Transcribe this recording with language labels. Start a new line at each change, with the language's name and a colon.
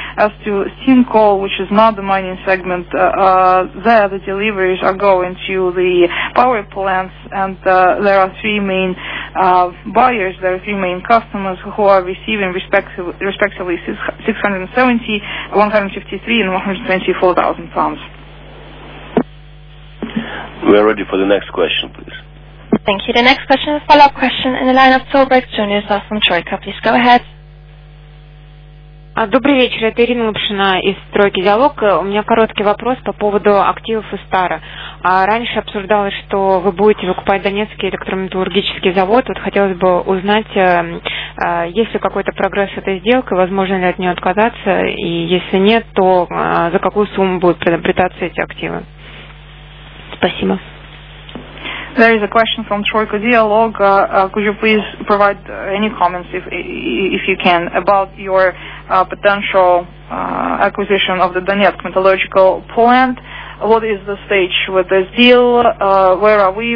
English: As to steam coal, which is not the mining segment, there the deliveries are going to the power plants, and there are three main buyers, there are three main customers who are receiving respectively 670, 153, and 124,000 tons. We are ready for the next question, please. Thank you. The next question is a follow-up question in the line of Tolbrecht Juniors from Troika. Please go ahead.
Russian: Добрый вечер, это Ирина Лапшина из «Стройки Диалог». У меня короткий вопрос по поводу активов «Истара». Раньше обсуждалось, что вы будете выкупать Донецкий электрометаллургический завод. Вот хотелось бы узнать, есть ли какой-то прогресс этой сделки, возможно ли от нее отказаться, и если нет, то за какую сумму будут приобретаться эти активы? Спасибо.
English: There is a question from Troika Dialog. Could you please provide any comments, if you can, about your potential acquisition of the Donetsk metallurgical plant? What is the stage with this deal? Where are we?